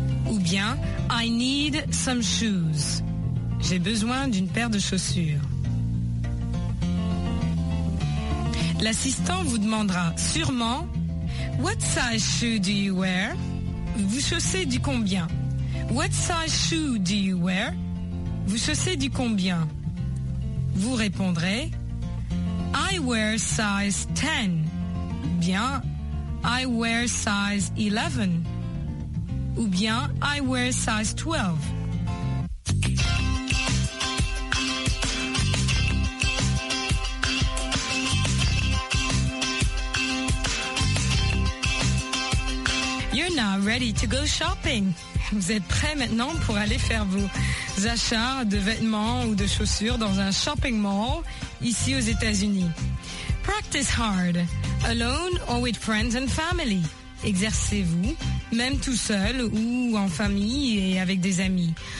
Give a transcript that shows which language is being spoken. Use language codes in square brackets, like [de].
[fr] Ou bien [en] I need some shoes. [fr] J'ai besoin d'une paire de chaussures. L'assistant vous demandera sûrement [en] What size shoe do you wear? [fr] Vous chaussez du combien? [en] What size shoe do you wear? [fr] Vous chaussez du combien? Vous répondrez [en] I wear size 10. [fr] Bien, [en] I wear size 11. [fr] Ou bien, [en] I wear size 12. You're now ready to go shopping. [fr] Vous êtes prêts maintenant pour aller faire vos achats de vêtements ou de chaussures dans un shopping mall ici aux États-Unis. [en] Practice hard, alone or with friends and family. [fr] Exercez-vous, même tout seul ou en famille et avec des amis.